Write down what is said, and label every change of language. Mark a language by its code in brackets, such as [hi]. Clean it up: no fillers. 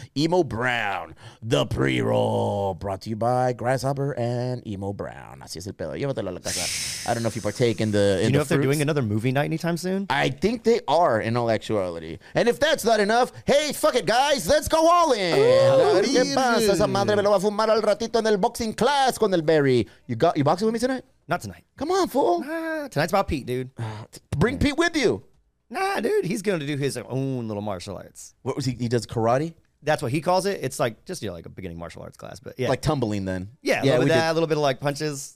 [en] Emo Brown, the pre-roll. Brought to you by Grasshopper and Emo Brown. [es] Así es el pedo. Llévatelo a la casa. [en] I don't know if you partake in the fruits. You know if they're doing another movie night anytime soon? I think they are, in all actuality. And if that's not enough, hey, fuck it, guys. Let's go all in. [es] ¿Qué pasa? Esa madre me lo va a fumar al ratito en el boxing class con el Barry. [en] You boxing with me tonight? Not tonight. Come on, fool. Nah, tonight's about Pete, dude. Bring Pete with you. Nah, dude. He's going to do his own little martial arts. What was he? He does karate? That's what he calls it. It's like just, you know, like a beginning martial arts class, but yeah, like tumbling then. Yeah, a little bit of like punches.